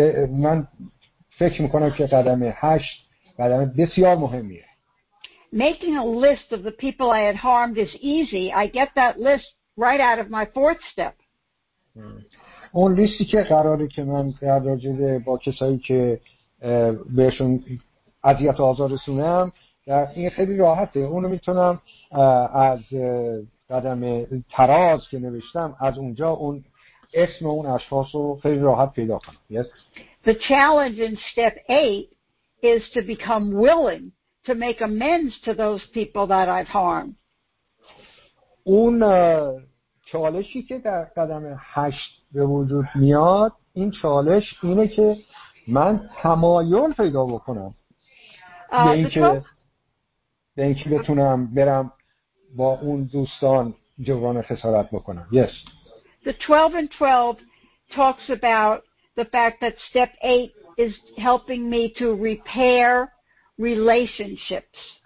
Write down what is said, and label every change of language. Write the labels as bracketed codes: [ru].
[fa] من فکر میکنم که قدم هشت قدم بسیار مهمیه. [en] Making a list of the people I had harmed is easy. I get that list right out of my fourth step. [fa] اون لیستی که قراره که من در رابطه با کسایی که بهشون اذیت و آزار رسونم این خیلی راحته. اونو میتونم از قدم تراز که نوشتم از اونجا اون اسم اون اشخاص رو خیلی راحت پیدا کنم. [en] Yes. The challenge in step 8 is to become willing to make amends to those people that I've harmed. [fa] اون چالشی که در قدم 8 به وجود میاد این چالش اینه که من تمایل پیدا بکنم به اینکه بتونم برم با اون دوستان جبران خسارت بکنم. [en] Yes. The 12 and 12 talks about the fact that step 8 is helping me to repair relationships.